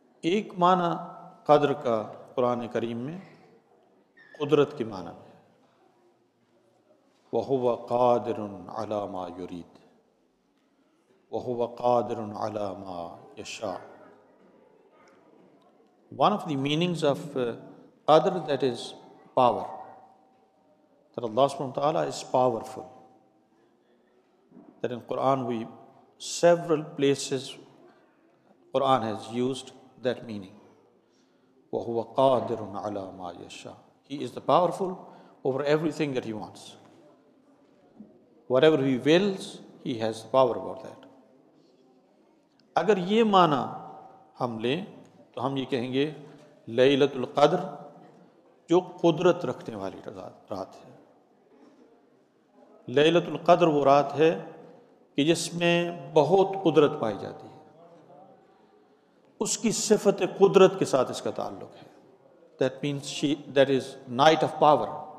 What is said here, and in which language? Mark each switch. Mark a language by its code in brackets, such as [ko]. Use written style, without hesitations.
[ur] ایک معنی قدر کا قرآن کریم میں قدرت کے معنی میں، [ar] وَهُوَ قَادِرٌ عَلَى مَا يُرِيدُ وَهُوَ قَادِرٌ عَلَى مَا يَشَاءُ. [en] One of the meanings of قدر that is power, that Allah subhanahu wa ta'ala is powerful. That in Quran we several places Quran has used that meaning. [ar] وَهُوَ قَادِرٌ عَلَى مَا يَشَاءُ. [en] He is the powerful over everything that he wants. Whatever he wills, he has power about that. [ur] اگر یہ معنی ہم لیں تو ہم یہ کہیں گے لیلۃ القدر جو قدرت رکھنے والی رات ہے. لیلۃ القدر وہ رات ہے کہ جس میں بہت قدرت پائی جاتی ہے. اس کی صفت قدرت کے ساتھ اس کا تعلق ہے. [en] That means she, that is night of power.